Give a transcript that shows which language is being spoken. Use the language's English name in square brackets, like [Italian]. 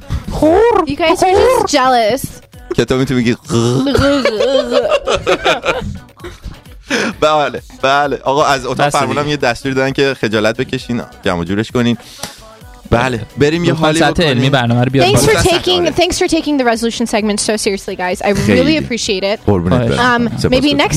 [English] خور You guys are just jealous [Persian] که تو میتونی بگی بله بله آقا از اتاق فرمانم یه دستور دادن که خجالت بکشین جمع جورش کنین بله بریم یه حالی بکنیم علمی برنامه رو بیاد [English] thanks for taking the resolution segment so seriously guys I really appreciate it maybe next time